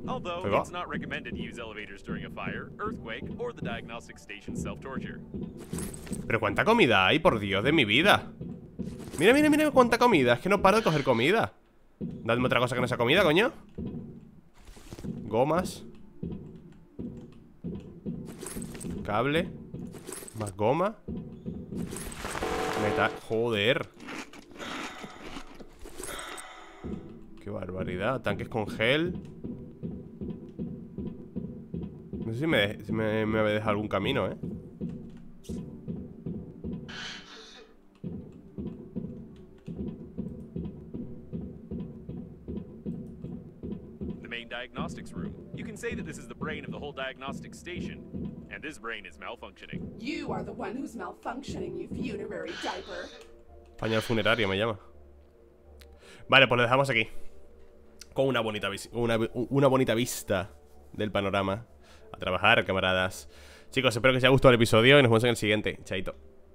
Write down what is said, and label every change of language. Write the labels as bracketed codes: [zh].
[en] Although it's not recommended to use elevators during a fire, earthquake or the diagnostic station self-torture. [es] Pero cuánta comida hay, por Dios de mi vida. Mira, mira, mira cuánta comida. Es que no paro de coger comida. Dadme otra cosa que no sea comida, coño. Gomas. Cable. Más goma. Meta. Joder. Qué barbaridad. Tanques con gel. No sé si me habéis dejado algún camino, eh. [en] Diagnostics room. You can say that this is the brain of the whole diagnostic station, and this brain is malfunctioning. You are the one who's malfunctioning, you funerary diaper. [es] Pañal funerario me llama. Vale, pues lo dejamos aquí. Con una bonita vista del panorama. A trabajar, camaradas. Chicos, espero que os haya gustado el episodio y nos vemos en el siguiente. Chaito.